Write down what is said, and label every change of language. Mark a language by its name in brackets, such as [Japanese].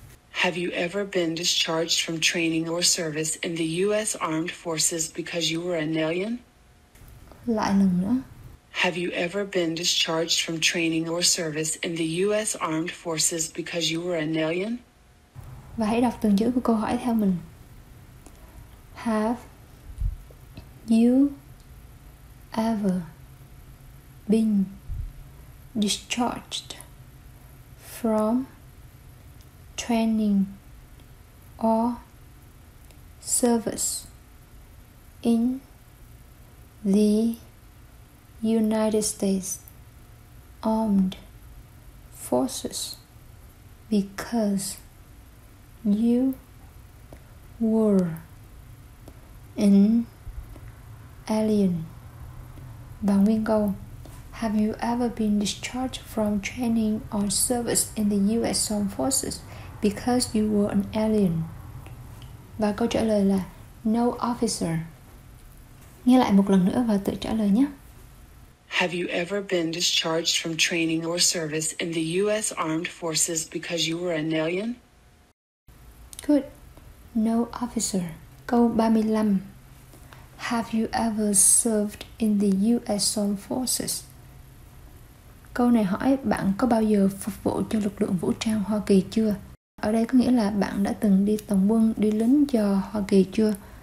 [English] Have you ever been discharged from training or service in the U.S. Armed Forces because you were an alien? [Vietnamese] Lại lần nữa. [English] Have you ever been discharged from training or service in the U.S. Armed Forces because you were an alien? [Vietnamese] Và hãy đọc từng chữ của câu hỏi theo mình. [English] Have you ever been discharged from training or service in the United States Armed Forces because you were an alien? [Vietnamese] Và nguyên câu. [English] Have you ever been discharged from training or service in the U.S. Armed Forces because you were an alien? [Vietnamese] Và câu trả lời là [English] no, officer. [Vietnamese] Nghe lại một lần nữa và tự trả lời nhé. [English] Have you ever been discharged from training or service in the U.S. Armed Forces because you were an alien? Good. No, officer. [Vietnamese] Câu 35. [English] Have you ever served in the U.S. Armed Forces? [Vietnamese] Câu này hỏi bạn có bao giờ phục vụ cho lực lượng vũ trang Hoa Kỳ chưa? Ở đây có nghĩa là bạn đã từng đi tổng quân, đi lính cho Hoa Kỳ chưa?